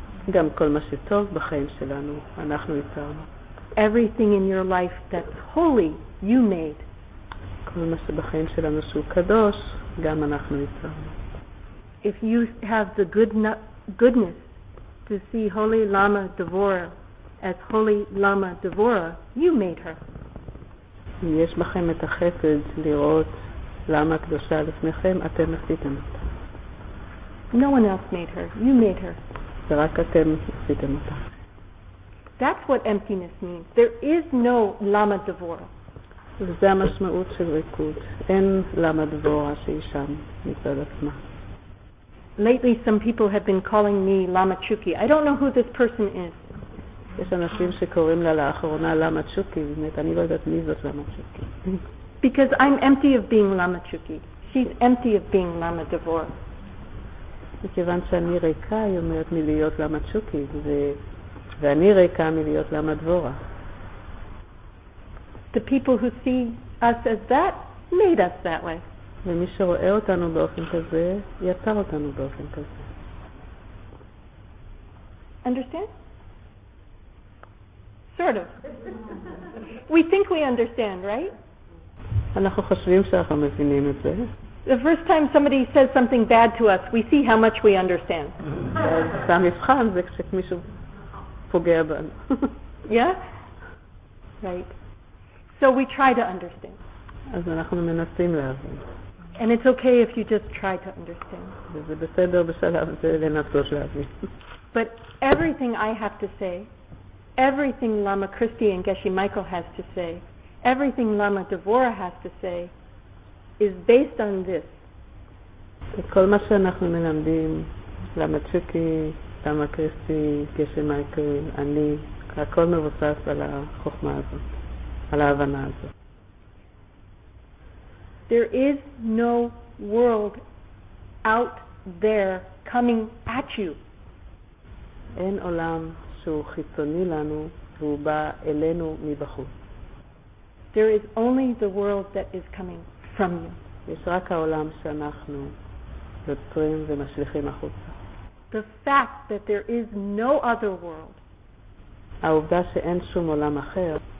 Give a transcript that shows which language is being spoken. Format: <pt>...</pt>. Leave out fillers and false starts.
<he>גם כל מה שטוב בחיים שלנו, אנחנו ייצרנו.</he> <en>Everything in your life that's holy, you made.</en> <he>כל מה שבחיים שלנו שהוא קדוש, גם אנחנו ייצרנו.</he> <en>If you have the goodness to see Holy Lama Devora as Holy Lama Devora, you made her.</en> <he>אם יש בכם את החסד לראות למה קדושה לפניכם, אתם עשיתם אותה.</he> <en>No one else made her. You made her.</en> <he>ורק אתם עשיתם אותה.</he> <en>That's what emptiness means. There is no Lama Devora.</en> <he>וזה המשמעות של ריקוד. אין למה דבורה שהיא שם מצד עצמה.</he> <en>Lately some people have been calling me Lama Chuki. I don't know who this person is.</en> <he>יש אנשים שקוראים לה לאחרונה Lama Chuki. באמת, אני לא יודעת מי זאת Lama Chuki.</he> <en>Because I'm empty of being Lama Chuki. She's empty of being Lama Devora.</en> <he>מכיוון שאני ריקה, היא אומרת, מלהיות Lama Chuki, ואני ריקה מלהיות Lama Devora.</he> <en>The people who see us as that made us that way.</en> <he>ומי שרואה אותנו באופן כזה, יצר אותנו באופן כזה.</he> <en>Understand? Sort of. We think we understand, right?</en> <he>אנחנו חושבים שאנחנו מבינים את זה.</he> <en>The first time somebody says something bad to us, we see how much we understand.</en> <he>זה המבחן, זה כשמישהו פוגע בנו.</he> <en>Yeah? Right. So we try to understand.</en> <he>אז אנחנו מנסים להבין.</he> <en>And it's okay if you just try to understand.</en> <he>זה בסדר בשלב זה לנסות להבין.</he> <en>But everything I have to say, everything Lama Christy and Geshe Michael has to say, everything Lama Devora has to say is based on this.</en> <he>כל מה שאנחנו מלמדים, Lama Chuki, Lama Christy, Geshe Michael, אני, הכל מבוסס על החוכמה הזאת. על ההבנה הזאת.</he> <en>There is no world out there coming at you.</en> <he>אין עולם שהוא חיצוני לנו והוא בא אלינו מבחוץ.</he> <en>There is only the world that is coming from you.</en> <he>יש רק העולם שאנחנו יוצרים ומשליחים החוצה.</he> <en>The fact that there is no other world.</en> <he>העובדה שאין שום עולם אחר.</he>